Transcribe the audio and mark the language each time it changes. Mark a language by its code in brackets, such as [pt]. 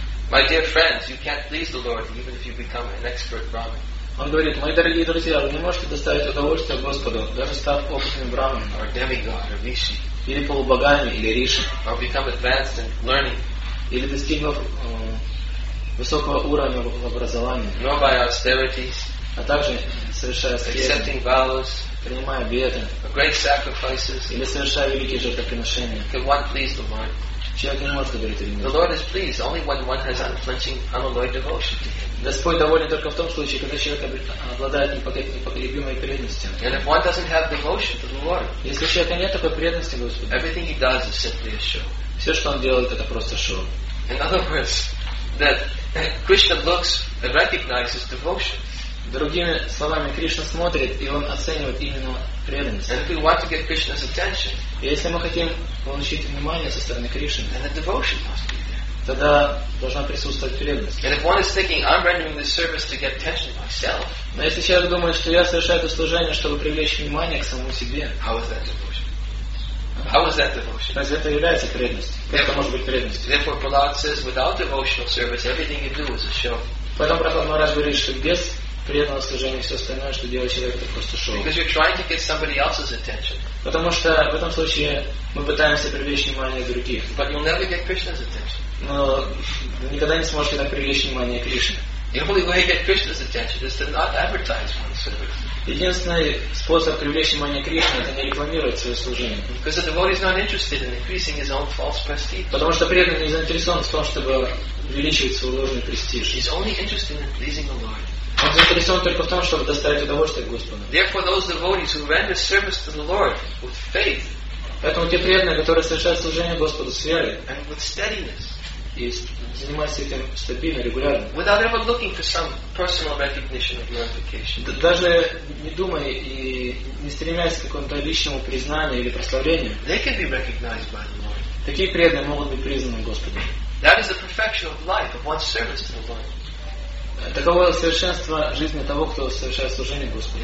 [en] My dear friends, you can't please the Lord even if you become an expert Brahmin. [ru] Он говорит, мои дорогие друзья, вы не можете доставить удовольствие Господу, даже став опытным Брахманом. [en] Or demigod, or Rishi. [ru] Или полубогами, или Риши. [en] Or become advanced in learning. [ru] Или достигнув высокого уровня в образовании. [en] Nor by austerities. [ru] А также совершая аскезы. [en] Accepting vows. [ru] Принимая обеты. [en] Great sacrifices. [ru] Или совершая великие жертвоприношения. [en] Can one please the Lord? [ru] Человек не может говорить о нем. [en] The Lord is pleased only when one has unflinching, unalloyed devotion to Him. [ru] Господь доволен только в том случае, когда человек обладает непоколебимой преданностью. [en] And if one doesn't have devotion to the Lord, [ru] если у человека нет такой преданности Господу, [en] everything he does is simply a show. [ru] Все, что он делает, это просто шоу. [en] In other words, that Krishna looks and recognizes devotion. [ru] Другими словами, Кришна смотрит, и он оценивает именно преданность. [en] And if we want to get Krishna's attention, [ru] если мы хотим получить внимание со стороны Кришны, [en] then the devotion must be there. [ru] Тогда должна присутствовать преданность. [en] And if one is thinking, I'm rendering this service to get attention myself, [ru] но если человек думает, что я совершаю это служение, чтобы привлечь внимание к самому себе, [en] how is that devotion? How is that devotion? [ru] Разве это является преданностью? Это может быть преданностью. [en] Therefore, Prahlad says, without devotional service, everything you do is a show. [ru] Поэтому Прохлад Махарадж говорит, что без преданного служения и все остальное, что делает человек, это просто шоу. [en] Because you're trying to get somebody else's attention. [ru] Потому что в этом случае мы пытаемся привлечь внимание других. [en] But you'll never get Krishna's attention. [ru] Но вы никогда не сможете так привлечь внимание Кришны. [en] The only way to get Krishna's attention is to not advertise one's service. [ru] Единственный способ привлечь внимание Кришны — это не рекламировать свое служение. [en] Because the devotee is not interested in increasing his own false prestige. [ru] Потому что преданный не заинтересован в том, чтобы увеличивать свой ложный престиж. [en] He's only interested in pleasing the Lord. [ru] Он заинтересован только в том, чтобы доставить удовольствие Господу. [en] Therefore, those devotees who render service to the Lord with faith. [ru] Поэтому те преданные, которые совершают служение Господу с верой. [en] And with steadiness. [ru] И занимаясь этим стабильно, регулярно. [en] Without ever looking for some personal recognition or glorification. [ru] Даже не думая и не стремясь к какому-то личному признанию или прославлению. [en] They can be recognized by the Lord. [ru] Такие преданные могут быть признаны Господом. [en] That is the perfection of life, of one's service to the Lord. [ru] Таково совершенство жизни того, кто совершает служение Господу.